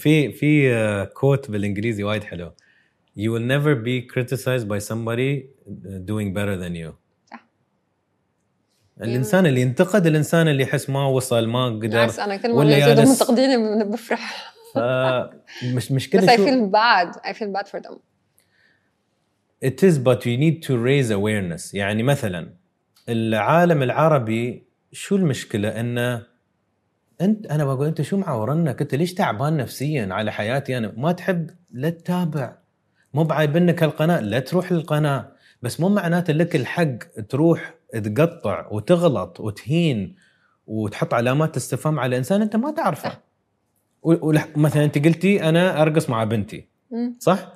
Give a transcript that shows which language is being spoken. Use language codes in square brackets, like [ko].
[ar] في quote بالإنجليزي وايد حلو. [en] You will never be criticized by somebody doing better than you. [ar] صح. الإنسان اللي ينتقد الإنسان اللي يحس ما وصل ما قدر. أنا كل ما يزيدوا منتقديني بفرح. مشكلة. [en] بس I feel bad for them. It is but you need to raise awareness. [ar] يعني مثلا العالم العربي شو المشكلة إنه انت انا بقول انت شو معورنك، انت ليش تعبان نفسيا على حياتي انا؟ ما تحب لا تتابع، مو بعيبنك القناه لا تروح للقناه، بس مو معناته لك الحق تروح تقطع وتغلط وتهين وتحط علامات استفهام على انسان انت ما تعرفه. ومثلا انت قلتي انا ارقص مع بنتي. صح